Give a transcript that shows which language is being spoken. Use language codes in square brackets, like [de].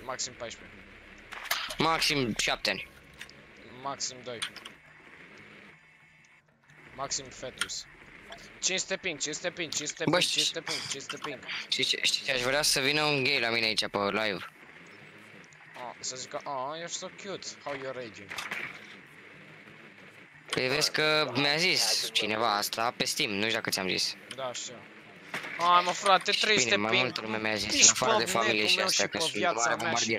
[ro] Maxim 14. Maxim 7 ani. Maxim 2. Maxim fetus. 500 ping, 500 ping, 500 ping, 500 ping, 500 ping. Știi ce, aș vrea să vină un gay la mine aici pe live. Să zică, aaa, [en] you're so cute, how you're raging. [ro] Păi vezi că mi-a zis cineva asta pe Steam, nu știu dacă ți-am zis. Da, știu. Hai mă frate, 300 ping. Bine, mai multă lume mi-a zis, în afară de familie și astea, că sunt mare bombardier.